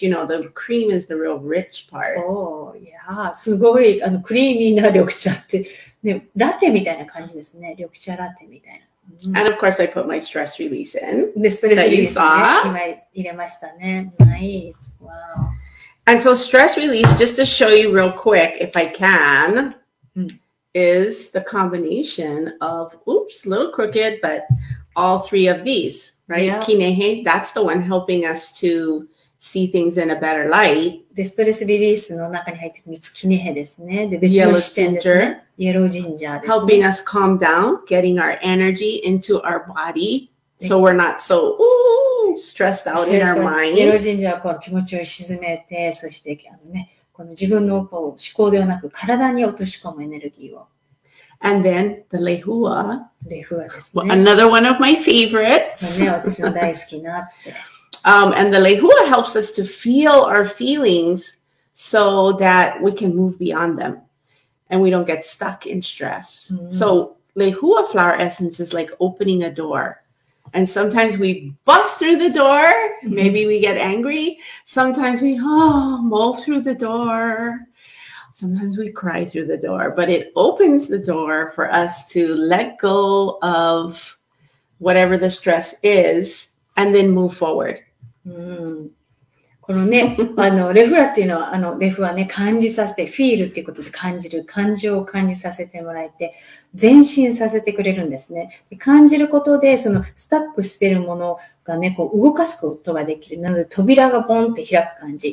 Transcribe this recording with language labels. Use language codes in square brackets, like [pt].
[en] You know, the cream is the real rich part. Oh, yeah. [ja] すごい、クリーミーな緑茶って、ね、ラテみたいな感じですね。緑茶ラテみたいな。 [en] And of course, I put my stress release in. The stress release, ね、nice. Wow. And so stress release, just to show you real quick, if I can,、mm. is the combination of, oops, a little crooked, but all three of these, right?、Yeah. Kinehe, that's the one helping us to... See things in a better light. [ja] The stress release の中に入ってくる三つ木ねへですね。で、別の視点ですね。Yellow ginger. Yellow ginger ですね。 [en] Helping us calm down, getting our energy into our body, so we're not so, ooh, stressed out in our mind. [ja] イエロー神社はこう気持ちを沈めて、そしてあのね、この自分のこう思考ではなく体に落とし込むエネルギーを。 [en] And then the lehua. [ja] Lehua ですね。 [en] Another one of my favorites. [ja] ね、私の大好きなって。 [en] And the lehua helps us to feel our feelings so that we can move beyond them and we don't get stuck in stress.、Mm-hmm. So lehua flower essence is like opening a door. And sometimes we bust through the door. Maybe we get angry. Sometimes we mull through the door. Sometimes we cry through the door. But it opens the door for us to let go of whatever the stress is and then move forward. [ja] このね、あのレフラっていうのは、あのレフはね、感じさせて、フィールっていうことで感じる、感情を感じさせてもらえて、前進させてくれるんですね。で感じることで、そのスタックしてるものがね、こう動かすことができる。なので、扉がボンって開く感じ。